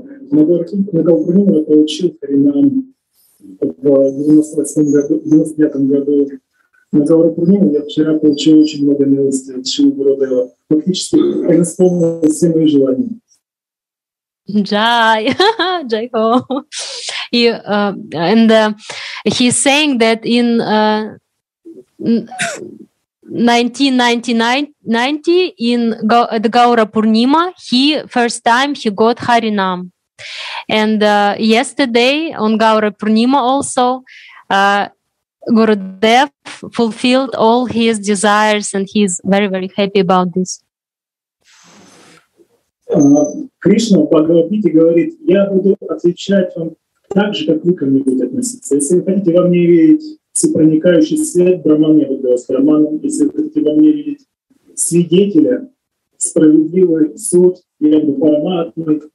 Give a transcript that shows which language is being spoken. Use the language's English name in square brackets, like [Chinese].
[Russian] Нагаура Пурнима получил Харинам в 1998 году. Нагаура Пурнима я вчера получил очень много милости от Шилы Гурудева. Фактически он исполнил все мои желания. [Hindi] Jai, Jai Ho. [English] He's saying that in 1990 in the Gaura Purnima, first time he got Harinam. And yesterday on Gaura Purnima also, Gurudev fulfilled all his desires and he's very, very happy about this. [Russian] Кришна в Бхагавад-гите говорит, я буду отвечать вам так же, как вы ко мне будете относиться. Если вы хотите во мне видеть всепроникающий свет Брахмана, я буду вас Брахманом. Если вы хотите во мне видеть свидетеля, справедливый суд, я буду Параматмой.